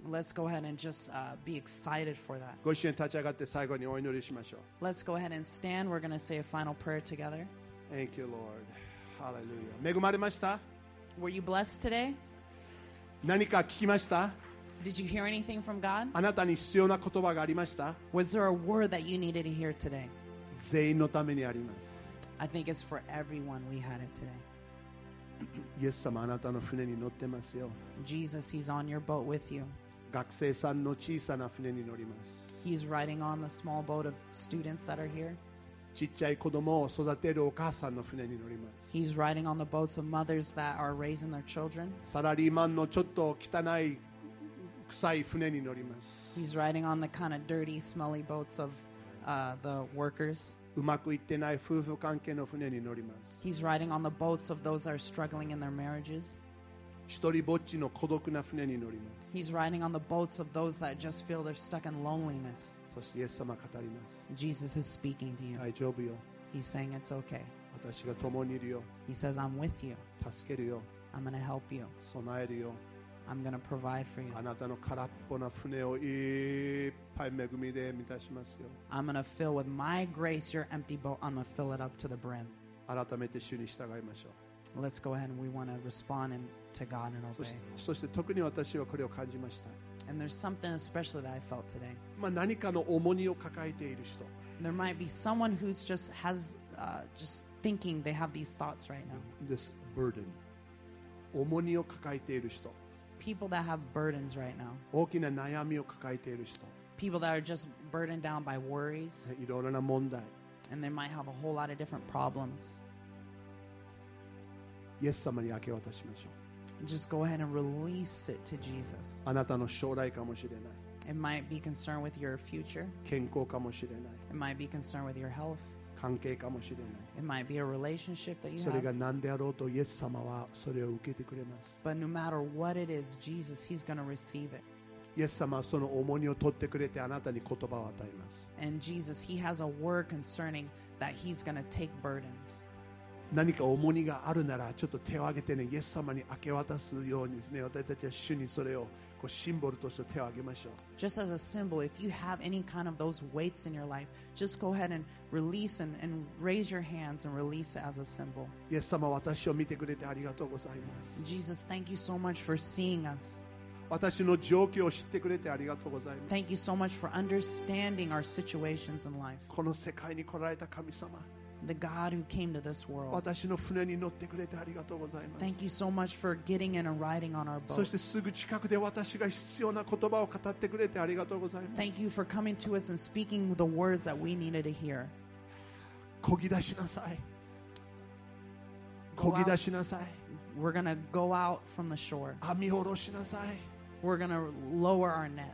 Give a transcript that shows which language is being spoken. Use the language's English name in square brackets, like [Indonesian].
[English] Let's go ahead and just be excited for that. [Japanese] ご一緒に立ち上がって最後にお祈りしましょう。 [English] Let's go ahead and stand. We're going to say a final prayer together. Thank you, Lord. Hallelujah. [Japanese] 恵まれました? [English] Were you blessed today? [Japanese] 何か聞きました? [English] Did you hear anything from God? [Japanese] あなたに必要な言葉がありました? [English] Was there a word that you needed to hear today? [Japanese] 全員のためにあります。 [English] I think it's for everyone we had it today. [Japanese] イエス様、あなたの船に乗ってますよ。 [English] Jesus, he's on your boat with you. [Japanese] 学生さんの小さな船に乗ります。 [English] He's riding on the small boat of students that are here. [Japanese] ちっちゃい子供を育てるお母さんの船に乗ります。 [English] He's riding on the boats of mothers that are raising their children. [Japanese] サラリーマンのちょっと汚い臭い船に乗ります。 [English] He's riding on the kind of dirty, smelly boats of the workers. [Japanese] うまくいってない夫婦関係の船に乗ります。 [English] He's riding on the boats of those that are struggling in their marriages. [Japanese] 一人ぼっちの孤独な船に乗ります。 [English] He's riding on the boats of those that just feel they're stuck in loneliness. [Japanese] そしてイエス様語ります。 [English] Jesus is speaking to you. [Japanese] 大丈夫よ。 [English] He's saying it's okay. [Japanese] 私が共にいるよ。 [English] He says I'm with you. [Japanese] 助けるよ。 [English] I'm gonna help you. [Japanese] 備えるよ。 [English] I'm gonna provide for you. [Japanese] あなたの空っぽな船をいっぱい恵みで満たしますよ。 [English] I'm gonna fill with my grace your empty boat. I'm gonna fill it up to the brim. [Japanese] 改めて主に従いましょう。 [English] Let's go ahead and we want to respond to God and obey. [Japanese] そして特に私はこれを感じました。 [English] And there's something especially that I felt today. [Japanese] まあ何かの重荷を抱えている人。 [English] There might be someone who's just has just thinking they have these thoughts right now. This burden. [Japanese] 重荷を抱えている人。 [English] People that have burdens right now. [Japanese] 大きな悩みを抱えている人。 [English] People that are just burdened down by worries. [Japanese] いろいろな問題。 [English] And they might have a whole lot of different problems. [Japanese] イエス様に明け渡しましょう。 [English] Just go ahead and release it to Jesus. [Japanese] あなたの将来かもしれない。 [English] It might be concerned with your future. [Japanese] 健康かもしれない。 [English] It might be concerned with your health. [Japanese] 関係かもしれない。 [English] It might be a relationship that you [Japanese] have. それが何であろうと、イエス様はそれを受けてくれます。 [English] But no matter what it is, Jesus, He's going to receive it. [Japanese] イエス様はその重荷を取ってくれて、あなたに言葉を与えます。 [English] And Jesus, He has a word concerning that He's going to take burdens. [Japanese] 何か重荷があるならちょっと手を挙げてね、イエス様に明け渡すようにですね、私たちは主にそれをこうシンボルとして手を挙げましょう。 [English] Just as a symbol, if you have any kind of those weights in your life, just go ahead and release and raise your hands and release it as a symbol. [Japanese] イエス様、私を見てくれてありがとうございます。 [English] Jesus, thank you so much for seeing us. [Japanese] 私の状況を知ってくれてありがとうございます。 [English] Thank you so much for understanding our situations in life. [Japanese] この世界に来られた神様。 [English] The God who came to this world. [Japanese] 私の船に乗ってくれてありがとうございます。 [English] Thank you so much for getting in and riding on our boat. [Japanese] そしてすぐ近くで私が必要な言葉を語ってくれてありがとうございます。 [English] Thank you for coming to us and speaking the words that we needed to hear. [Japanese] こぎ出しなさい。こぎ出しなさい。 [English] We're gonna go out from the shore. [Japanese] 網下ろしなさい。 [English] We're gonna lower our nets.